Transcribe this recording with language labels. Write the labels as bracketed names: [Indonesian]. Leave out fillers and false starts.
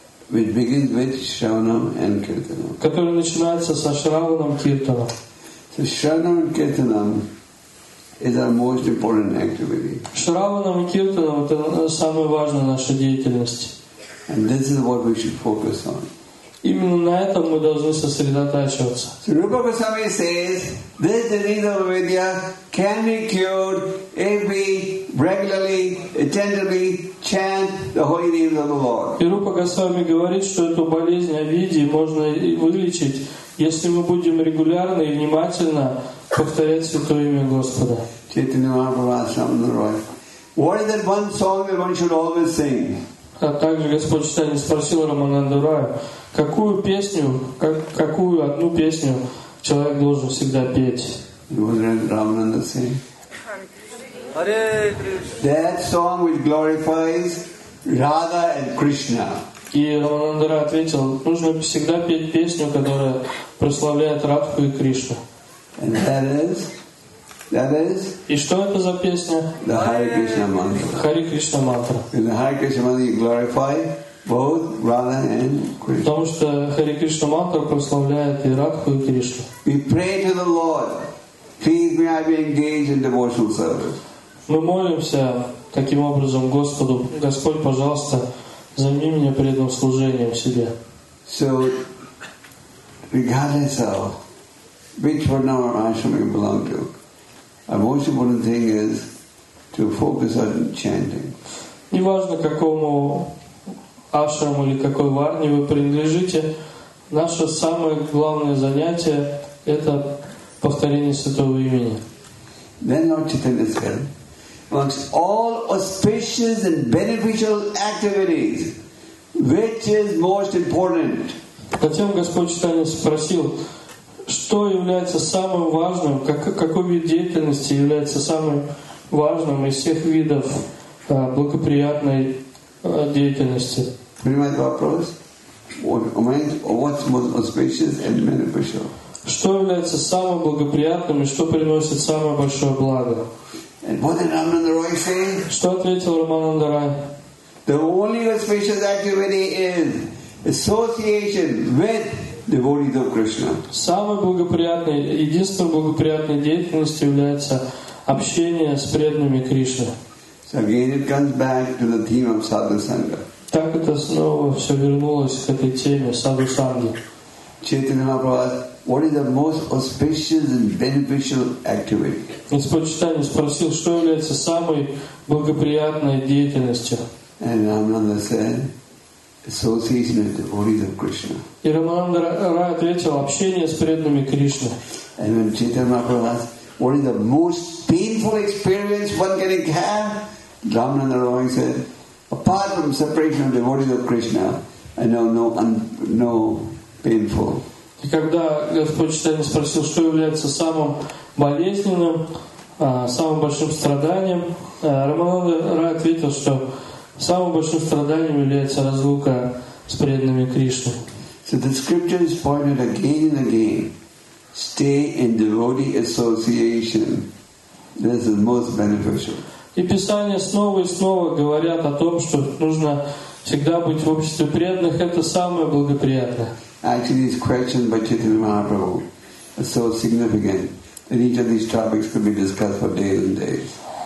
[English] which begins with Shravanam and Kirtanam. [Russian] Который начинается со Шраванам Киртанам. [English] So Shravanam and Kirtanam is our most important activity. [Russian] Шраванам и Киртанам — это самое важное наша деятельность. [English] And this is what we should focus on. [Russian] Именно на этом мы должны сосредотачиваться. [English] So Rupa Goswami says, this disease of avidya can be cured if we regularly, attentively chant the holy names of the Lord. [Russian] И Рупа Госвами говорит, что эту болезнь авидии можно вылечить, если мы будем регулярно и внимательно повторять Святое Имя Господа. [English] Chaitanya Mahaprabhu asked the Lord, what is that one song that one should always sing? [Russian] А также Господь Читания спросил Рамананду Раю, какую песню, какую одну песню человек должен всегда петь. Рамананда сказал, Hare Krishna. [English] That song which glorifies Radha and Krishna. [Russian] И Рамананда Рай ответил, нужно всегда петь песню, которая прославляет Радху и Кришну. [English] And that is. [Russian] И что это за песня? [English] The Hare Krishna mantra. Hare Krishna mantra. In the Hare Krishna mantra, you glorify both Radha and Krishna. [Russian] Потому что Hare Krishna mantra прославляет и Радху и Кришну. [English] We pray to the Lord, please may I be engaged in devotional service. [Russian] Мы молимся таким образом Господу: Господь, пожалуйста, займи меня преданным служением себе. [English] So, regardless of which Varnam or Ashram you belong to, a most important thing is to focus on chanting. [Russian] Неважно, какому ашраму или какой варне вы принадлежите, наше самое главное занятие — это повторение Святого Имени. [English] Then Lord Chaitanya said, amongst all auspicious and beneficial activities, which is most important? [Russian] Затем Господь Читания спросил, что является самым важным, какой вид деятельности является самым важным из всех видов благоприятной деятельности? Понимаете вопрос? [English] What's most auspicious and beneficial? [Russian] Что является самым благоприятным и что приносит самое большое благо? [English] And what did Рамананда Рой say? [Russian] Что ответил Рамананда Рай? [English] The only auspicious activity is association with devotees of Krishna. [Russian] Самой благоприятной, единственной благоприятной деятельностью является общение с преданными Кришны. [English] So again it comes back to the theme of Sadhu Sangha. [Russian] Так это снова все вернулось к этой теме Sadhu Sangha. [English] Chaitanya Mahaprabhu, what is the most auspicious and beneficial activity? [Russian] Господь Чайтанья спросил, что является самой благоприятной деятельностью. [English] And Рамананда said, association with the devotees of Krishna. [Russian] И Рамананда Рай ответил, общение с преданными Кришны. [English] And when Chaitanya Mahaprabhu asked, what is the most painful experience one can have? Рамананда Рай said, apart from separation of the devotees of Krishna, I know no painful. [Russian] И когда Господь Чайтанья спросил, что является самым болезненным, самым большим страданием, Рамананда Рай ответил, что самым большим страданием является разлука с преданными Кришны. [English] So the scripture is pointed again and again. Stay in devotee association. This is most beneficial. [Russian] И Писания снова и снова говорят о том, что нужно всегда быть в обществе преданных. Это самое благоприятное. [English] Actually, this question by Chaitanya Mahaprabhu is so significant that each of these topics could be discussed for days and days.